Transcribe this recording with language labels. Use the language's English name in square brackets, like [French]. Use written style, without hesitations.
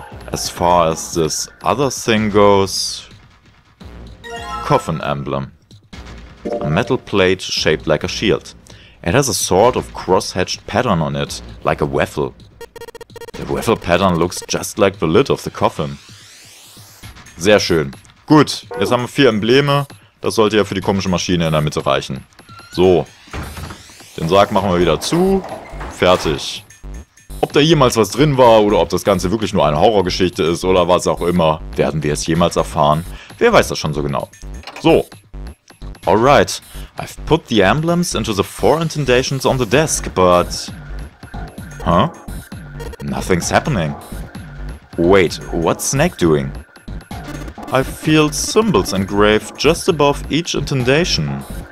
[English] As far as this other thing goes... Coffin emblem. A metal plate shaped like a shield. It has a sort of cross-hatched pattern on it, like a waffle. The waffle pattern looks just like the lid of the coffin. [German] Sehr schön. Gut, jetzt haben wir vier Embleme. Das sollte ja für die komische Maschine in der Mitte reichen. So. Den Sarg machen wir wieder zu. Fertig. Ob da jemals was drin war oder ob das Ganze wirklich nur eine Horrorgeschichte ist oder was auch immer, werden wir es jemals erfahren. Wer weiß das schon so genau. So. [English] Alright, I've put the emblems into the four intendations on the desk, but... Huh? Nothing's happening. Wait, what's Snake doing? I feel symbols engraved just above each intendation.